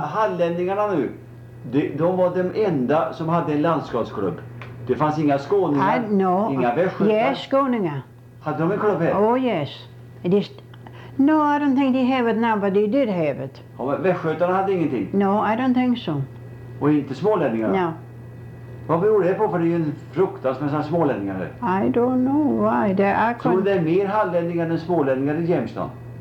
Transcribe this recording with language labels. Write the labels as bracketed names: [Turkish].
[Swedish] Hallänningarna nu, de var de enda som hade en landskapsklubb. Det fanns inga skåningar, inga västgötar. Yes, skåningar. Hade de en klubb här? [English] Oh yes. No, I don't think they have it now, but they did have it. [Swedish] Ja, men västgötarna hade ingenting? [English] No, I don't think so. [Swedish] Och inte smålänningar? [English] No. [Swedish] Vad beror det på? För det är ju en fruktansvärt smålänningar här. [English] I don't know why. [Swedish] Tror det är mer hallänningar än smålänningar i Jämstad?